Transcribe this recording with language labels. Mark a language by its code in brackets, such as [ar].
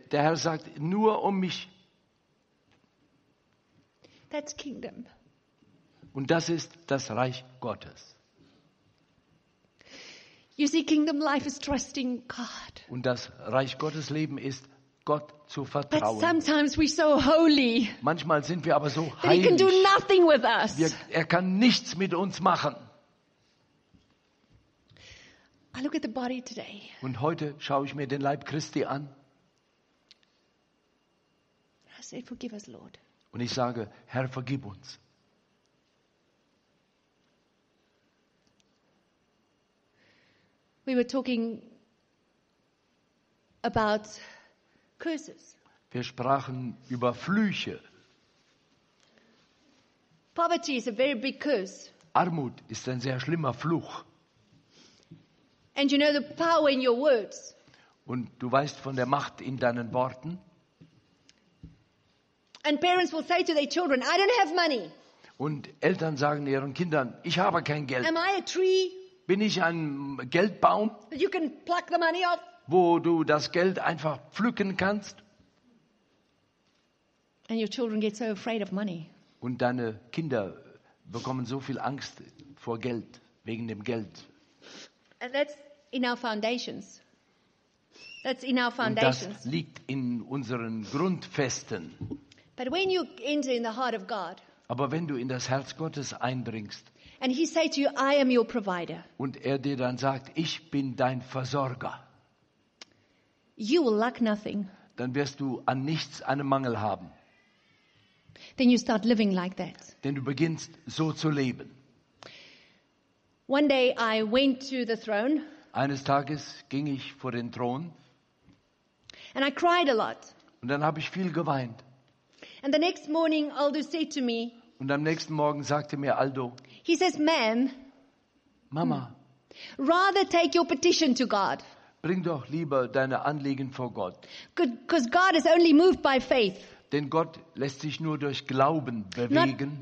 [de] Der Herr sagt, nur um mich. [en] That's kingdom. [de] Und das ist das Reich Gottes. [en] You see, kingdom life is trusting God. [de] Und das Reich Gottes Leben ist Gott zu vertrauen. [en] But sometimes we're so holy. [de] Manchmal sind wir aber so heilig. [en] That he can do nothing with us. [de] Er kann nichts mit uns machen. [en] I look at the body today. [de] Und heute schaue ich mir den Leib Christi an. [en] I say, "Forgive us, Lord." [de] Und ich sage, Herr, vergib uns. [en] We were talking about curses. [de] Wir sprachen über Flüche. [en] Poverty is a very big curse. [de] Armut ist ein sehr schlimmer Fluch. [en] And you know the power in your words. [de] Und du weißt von der Macht in deinen Worten. [en] And parents will say to their children, "I don't have money." [de] Und Eltern sagen ihren Kindern, ich habe kein Geld. [en] Am I a tree? [de] Bin ich ein Geldbaum? [en] You can pluck the money off. [de] Wo du das Geld einfach pflücken kannst? [en] And your children get so afraid of money. [de] Und deine Kinder bekommen so viel Angst vor Geld, wegen dem Geld. [en] And that's in our foundations. That's in our foundations. [de] Und das liegt in unseren Grundfesten. [en] But when you enter in the heart of God, [de] aber wenn du in das Herz Gottes eindringst, [en] and he say to you, "I am your provider," [de] und er dir dann sagt, ich bin dein Versorger, [en] you will lack nothing. [de] Dann wirst du an nichts einen Mangel haben. [en] Then you start living like that. [de] Denn du beginnst so zu leben. [en] One day I went to the throne. [de] Eines Tages ging ich vor den Thron. [en] And I cried a lot. [de] Und dann habe ich viel geweint. [en] And the next morning Aldo said to me. [de] Und am nächsten Morgen sagte mir Aldo. [en] He says, "Ma'am, [de] Mama, [en] rather take your petition to God. [de] Bring doch lieber deine Anliegen vor Gott. [en] Because God is only moved by faith. [de] Denn Gott lässt sich nur durch Glauben bewegen.